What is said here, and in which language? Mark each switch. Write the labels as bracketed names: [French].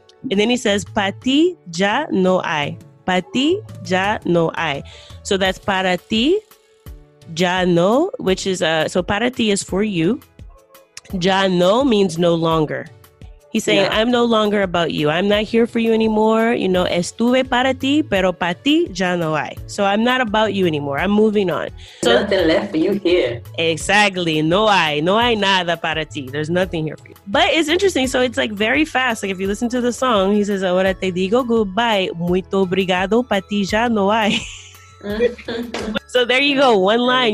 [English] And then he says, [Spanish] para ti ya no hay. Para ti ya no hay. [English] So that's [Spanish] para ti ya no, [English] which is, so para ti is for you. Ya no means no longer. He's saying, yeah. I'm no longer about you. I'm not here for you anymore. You know, [Spanish] estuve para ti, pero para ti ya no hay. [English] So I'm not about you anymore. I'm moving on. So, nothing left for you here. Exactly. [Spanish] No hay. No hay nada para ti. [English] There's nothing here for you. But it's interesting. So it's like very fast. Like if you listen to the song, he says, [Spanish] ahora te digo [English] goodbye. [Portuguese] Muito obrigado. [Spanish] Para ti ya no hay. [English] So there you go. One line.